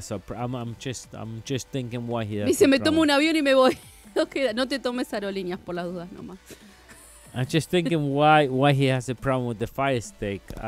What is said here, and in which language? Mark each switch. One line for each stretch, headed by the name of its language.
English: I'm just thinking why he has a problem.
Spanish: Dice, me tomo un avión y me voy. No te tomes aerolíneas por las dudas nomás.
English: I'm just thinking why he has a problem with the Fire Stick.